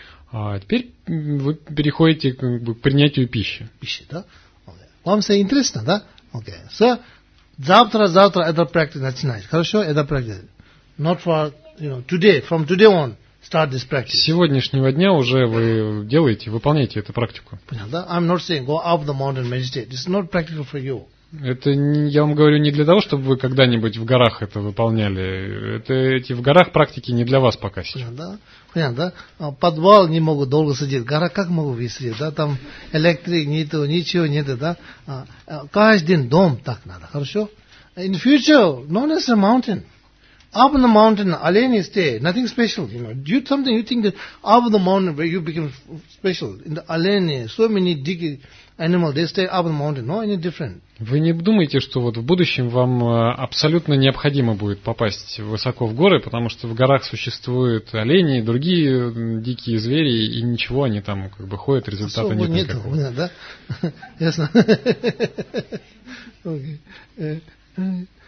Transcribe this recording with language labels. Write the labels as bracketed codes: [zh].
[ru] А теперь вы переходите как бы, к принятию пищи. Пищи, да? Okay. Вам все интересно, да? Окей. Okay. So, завтра это практика начинается. Хорошо, это практика. [en] Not for, you know, today, from today on, start this practice. [ru] С сегодняшнего дня уже вы делаете, выполняете эту практику. Понял, да? [en] I'm not saying go up the mountain meditate. It's not practical for you. [ru] Это я вам говорю не для того, чтобы вы когда-нибудь в горах это выполняли. Это эти в горах практики не для вас пока сейчас. Понятно, да? Подвал не могу долго сидеть. Гора как могу висеть, да? Там электрик нету, ничего нету, да? Каждый день дом так надо, хорошо? [en] In future, not as a mountain. up on the mountain, Alain is there, nothing special, you know. You something you think that up on the mountain where you become special in the Alain, so many dig animal they stay up on the mountain, no any different. [ru] Вы не думаете, что вот в будущем вам абсолютно необходимо будет попасть высоко в горы, потому что в горах существуют олени и другие дикие звери, и ничего, они там как бы ходят, результата особо нет никакого. Особо нет, да? Ясно.